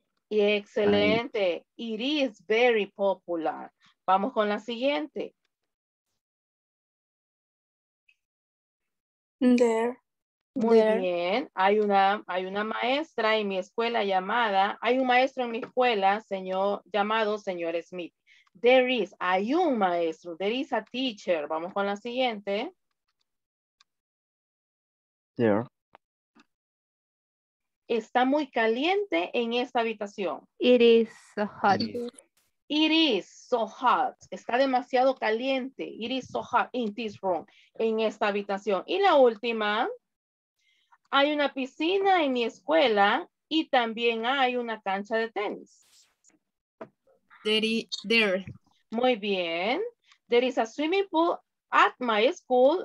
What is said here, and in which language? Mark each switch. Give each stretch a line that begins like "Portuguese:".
Spanish: Y excelente.
English: It is very popular.
Spanish: Vamos con la siguiente.
English: There.
Spanish: Muy bien. Hay una maestra en mi escuela llamada, hay un maestro en mi escuela, señor, llamado señor Smith.
English: There is,
Spanish: hay un maestro,
English: there is a teacher.
Spanish: Vamos con la siguiente.
English: There.
Spanish: Está muy caliente en esta habitación.
English: It is so hot. It is so hot.
Spanish: Está demasiado caliente.
English: It is so hot in this room,
Spanish: en esta habitación. Y la última. Hay una piscina en mi escuela y también hay una cancha de tenis.
English: There.
Spanish: Muy bien.
English: There is a swimming pool at my school.